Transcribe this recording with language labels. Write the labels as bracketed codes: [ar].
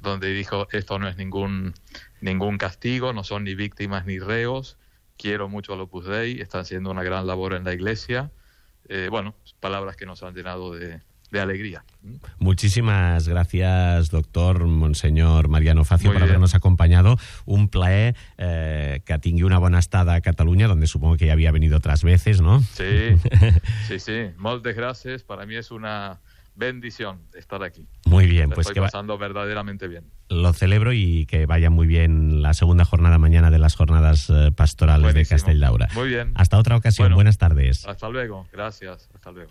[es] donde dijo, esto no es ningún castigo, no son ni víctimas ni reos, quiero mucho al Opus Dei, están haciendo una gran labor en la Iglesia. Bueno, palabras que nos han llenado de alegría. Muchísimas gracias, doctor Monseñor Mariano Facio, por habernos acompañado. [ca] Un plaer que tingui una bona estada a Catalunya, [es] donde supongo que ya había venido otras veces, ¿no? Sí, sí, sí. [ca] Moltes gràcies. [es] Para mí es una bendición estar aquí. Muy bien. Pasando verdaderamente bien. Lo celebro y que vaya muy bien la segunda jornada mañana de las jornadas pastorales. Buenísimo. De Castelldaura. Muy bien. Hasta otra ocasión. Bueno, buenas tardes. Hasta luego. Gracias. Hasta luego.